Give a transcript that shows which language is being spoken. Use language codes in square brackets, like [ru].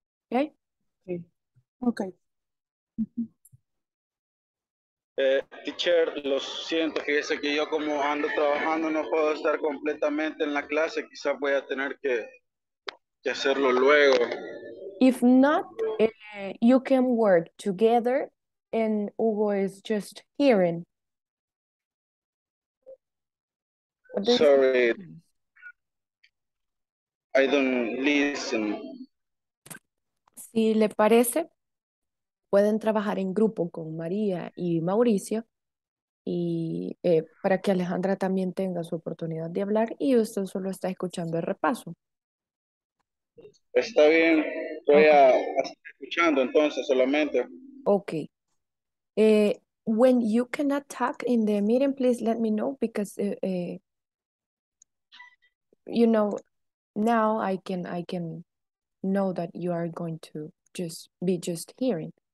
[es] ¿Ok? Sí. Ok. Teacher, lo siento, que sé que yo como ando trabajando no puedo estar completamente en la clase, quizás voy a tener que hacerlo luego. [en] If not, you can work together and Hugo is just hearing. Sorry, I don't listen. [es] Si le parece, pueden trabajar en grupo con María y Mauricio y para que Alejandra también tenga su oportunidad de hablar y usted solo está escuchando el repaso. Está bien, voy a estar escuchando entonces solamente. [en] Ok. When you cannot talk in the meeting, please let me know because, you know, now I can know that you are going to just be hearing.